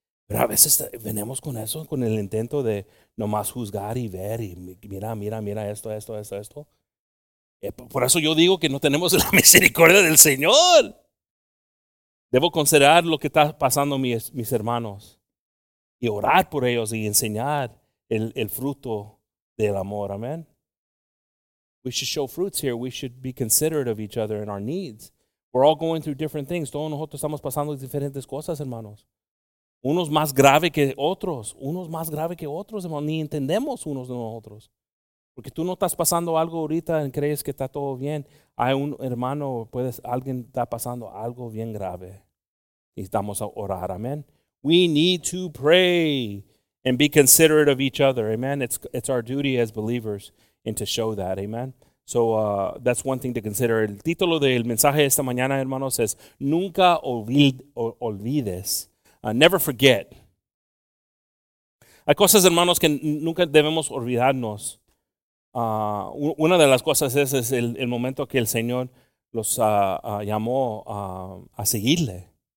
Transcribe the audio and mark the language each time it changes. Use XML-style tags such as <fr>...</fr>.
<es>Pero a veces venimos con eso, con el intento de nomás juzgar y ver y mira esto. Por eso yo digo que no tenemos la misericordia del Señor. Debo considerar lo que está pasando mis hermanos y orar por ellos y enseñar el fruto del amor. Amén.</es> <en>We should show fruits here. We should be considerate of each other and our needs. We're all going through different things.</en> <es>Todos nosotros estamos pasando diferentes cosas, hermanos. Unos más grave que otros. Unos más grave que otros, hermanos. Ni entendemos unos de nosotros. Porque tú no estás pasando algo ahorita y crees que está todo bien. Hay un hermano, puedes, alguien está pasando algo bien grave. Y estamos a orar,</es> <en>amen. We need to pray and be considerate of each other, amen. It's our duty as believers and to show that, amen. So that's one thing to consider.</en> <es>El título del mensaje de esta mañana, hermanos, says, nunca olvides.</es> <en>Never forget.</en> <es>Hay cosas, hermanos, que nunca debemos olvidarnos. Una de las cosas es el momento que el Señor los llamó a seguirle.</es>